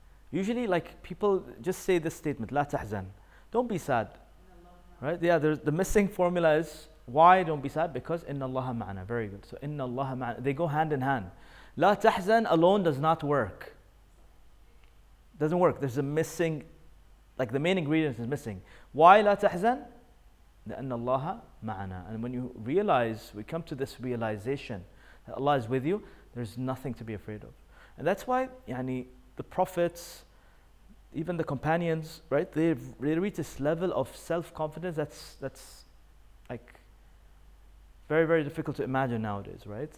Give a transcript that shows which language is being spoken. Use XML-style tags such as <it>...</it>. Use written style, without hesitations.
<en>Usually, like, people just say this statement,</en> <ar>لَا تَحْزَنْ.</ar> <en>Don't be sad. Right? Yeah, the missing formula is, why don't be sad? Because</en> <ar>إِنَّ اللَّهَ مَعْنَا.</ar> <en>Very good. So إِنَّ اللَّهَ مَعْنَا. They go hand in hand.</en> <ar>لَا تَحْزَنْ</ar> <en>alone does not work. Doesn't work. There's a missing, like the main ingredient is missing.</en> <ar>Why لا تحزن؟ لأن الله معنا.</ar> <en>And when you realize, we come to this realization that Allah is with you, there's nothing to be afraid of. And that's why the prophets, even the companions, right, they reach this level of self-confidence that's like very, very difficult to imagine nowadays, right?</en>